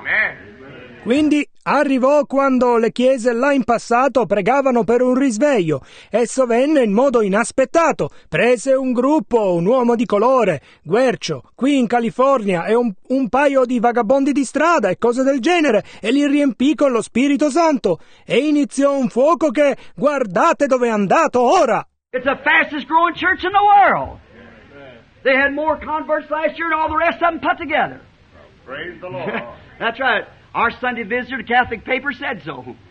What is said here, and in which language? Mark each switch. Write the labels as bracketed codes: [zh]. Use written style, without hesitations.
[en] Amen. [it] Quindi arrivò quando le chiese là in passato pregavano per un risveglio. Esso venne in modo inaspettato. Prese un gruppo, un uomo di colore, guercio, qui in California, e un paio di vagabondi di strada e cose del genere, e li riempì con lo Spirito Santo. E iniziò un fuoco che, guardate dove è andato ora! [en] It's the fastest growing church in the world! They had more converts last year than all the rest of them put together. Praise the Lord. That's right. Our Sunday visitor, the Catholic paper, said so.